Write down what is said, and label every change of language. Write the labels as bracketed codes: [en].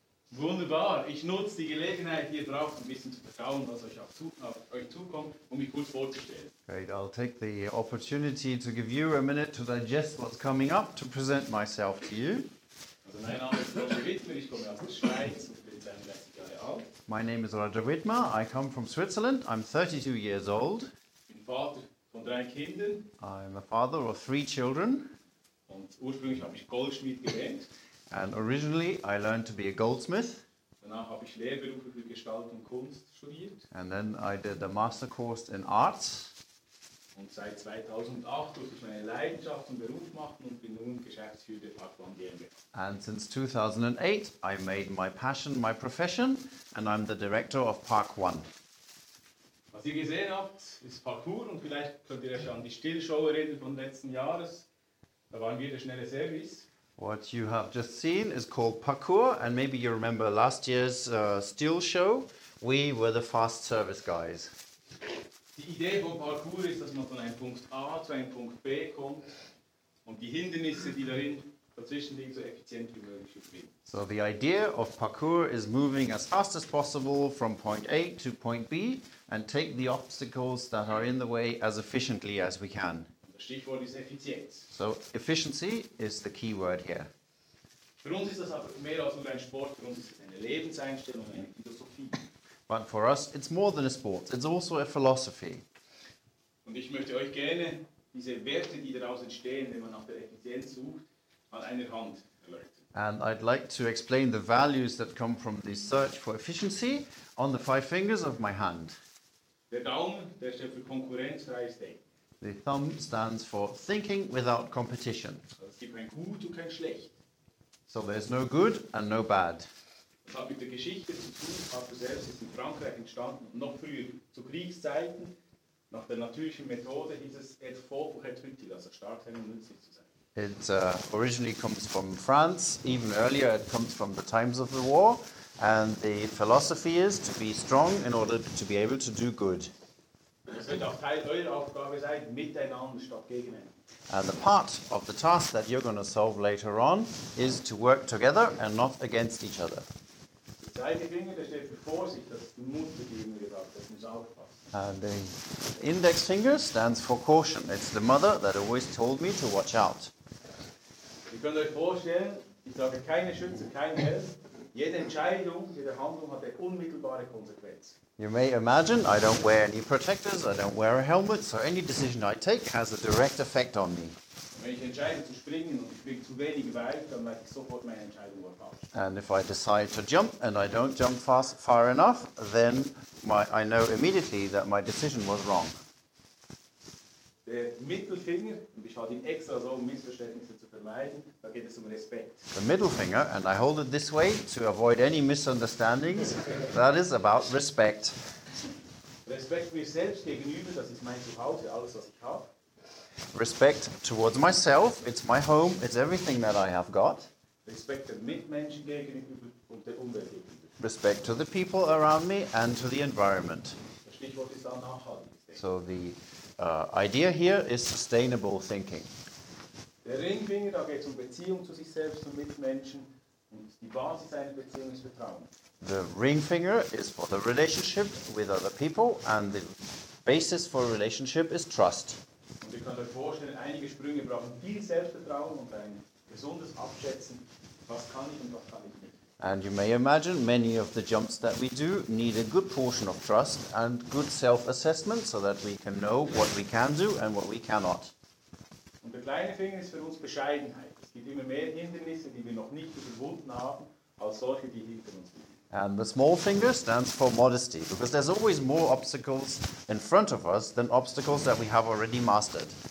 [de] Wunderbar, ich nutze die Gelegenheit, die ihr braucht, ein bisschen zu verdauen, was euch zukommt, um mich gut vorzustellen. [en] Great, I'll take the opportunity to give you a minute to digest what's coming up, to present myself to you. [de] Also mein Name ist Roger Wittmer, ich komme aus der Schweiz und bin 32 Jahre alt. [en] My name is Roger Wittmer, I come from Switzerland, I'm 32 years old. [de] Ich bin Vater von drei Kindern. [en] I'm a father of three children. [de] Und ursprünglich habe ich Goldschmied gelernt. [en] And originally, I learned to be a goldsmith. [de] Danach habe ich Lehrberufe für Gestalt und Kunst studiert. [en] And then I did a master course in arts. [de] Und seit 2008 durfte ich meine Leidenschaft zum Beruf machen und bin nun Geschäftsführer der Parkbahn GmbH. [en] And since 2008, I made my passion my profession, and I'm the director of Park One. [de] Was ihr gesehen habt, ist Parkour, und vielleicht könnt ihr euch an die Stillshow erinnern von letzten Jahres. Da waren wir der schnelle Service. [en] What you have just seen is called parkour, and maybe you remember last year's steel show, we were the fast service guys. [de] Die Idee von Parkour ist, dass man von einem Punkt A zu einem Punkt B kommt und die Hindernisse, die darin dazwischen liegen, so effizient wie möglich überwinden. [en] So the idea of parkour is moving as fast as possible from point A to point B and take the obstacles that are in the way as efficiently as we can. [de] Stichwort ist Effizienz. [en] So, efficiency is the key word here. [de] Für uns ist das aber mehr als nur ein Sport, für uns ist es eine Lebenseinstellung, eine Philosophie. [en] But for us, it's more than a sport, it's also a philosophy. [de] Und ich möchte euch gerne diese Werte, die daraus entstehen, wenn man nach der Effizienz sucht, an einer Hand erläutern. [en] And I'd like to explain the values that come from this search for efficiency on the five fingers of my hand. [de] Der Daumen, der steht für konkurrenzfreies Denken. [en] The thumb stands for thinking without competition. [de] Es gibt kein Gut und kein Schlecht. [en] So there's no good and no bad. [de] Das hat mit der Geschichte zu tun. Parkour selbst ist in Frankreich entstanden, noch früher, zu Kriegszeiten. Nach der natürlichen Methode hieß es [fr] et fort pour être utile, [de] also stark sein und nützlich zu sein. [en] It originally comes from France. Even earlier, it comes from the times of the war. And the philosophy is to be strong in order to be able to do good. [de] Das wird auch Teil eurer Aufgabe sein, miteinander statt gegeneinander. [en] And the part of the task that you're going to solve later on is to work together and not against each other. [de] Der zweite Finger, der steht für Vorsicht, das ist die Mut, die ich mir gesagt habe, das muss aufpassen. [en] And the index finger stands for caution. It's the mother that always told me to watch out. [de] Ihr könnt euch vorstellen, ich sage keine Schütze, kein Held. Jede Entscheidung, jede Handlung hat eine unmittelbare Konsequenz. [en] You may imagine I don't wear any protectors, I don't wear a helmet, so any decision I take has a direct effect on me. [de] Wenn ich entscheide zu springen und ich springe zu wenig weit, dann merke ich sofort meine Entscheidung war falsch. [en] And if I decide to jump and I don't jump fast far enough, then I know immediately that my decision was wrong. [de] Der Mittelfinger, und ich halte ihn extra so, um Missverständnisse zu vermeiden, da geht es um Respekt. [en] The middle finger, and I hold it this way to avoid any misunderstandings, that is about respect. [de] Respekt mir selbst gegenüber, das ist mein Zuhause, alles was ich habe. [en] Respect towards myself, it's my home, it's everything that I have got. [de] Respekt der Mitmenschen gegenüber und der Umwelt gegenüber. [en] Respect to the people around me and to the environment. [de] Das Stichwort ist auch nachhaltig. [en] So the idea here is sustainable thinking. [de] Der Ringfinger, da geht es um Beziehung zu sich selbst und Mitmenschen, und die Basis einer Beziehung ist Vertrauen. [en] The ring finger is for the relationship with other people, and the basis for relationship is trust. [de] Und ihr könnt euch vorstellen, einige Sprünge brauchen viel Selbstvertrauen und ein gesundes Abschätzen, was kann ich und was kann ich nicht. [en] And you may imagine many of the jumps that we do need a good portion of trust and good self-assessment so that we can know what we can do and what we cannot. [de] Und der kleine Finger ist für uns Bescheidenheit. Es gibt immer mehr Hindernisse, die wir noch nicht überwunden haben, als solche, die hinter uns liegen. [en] And the small finger stands for modesty, because there's always more obstacles in front of us than obstacles that we have already mastered.